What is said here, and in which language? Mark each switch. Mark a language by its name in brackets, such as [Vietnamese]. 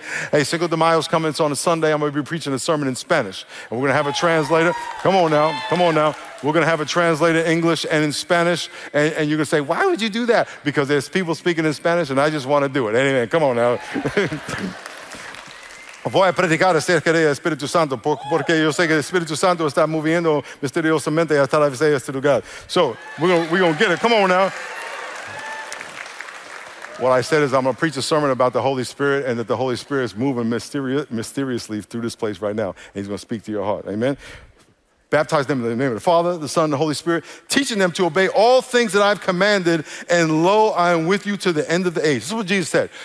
[English] Hey, Cinco de Mayo's coming. It's on a Sunday. I'm going to be preaching a sermon in Spanish. And we're going to have a translator. Come on now. We're going to have a translator in English and in Spanish. And you're going to say, why would you do that? Because there's people speaking in Spanish, and I just want to do it. Anyway, come on now. [Spanish] Voy a predicar acerca del Espíritu Santo porque yo sé que el Espíritu Santo está moviendo misteriosamente hasta la vista de este lugar. [English] So, we're going to get it. Come on now. What I said is I'm going to preach a sermon about the Holy Spirit and that the Holy Spirit is moving mysteriously through this place right now. And he's going to speak to your heart. Amen. Baptize them in the name of the Father, the Son, and the Holy Spirit, teaching them to obey all things that I've commanded, and lo, I am with you to the end of the age. This is what Jesus said.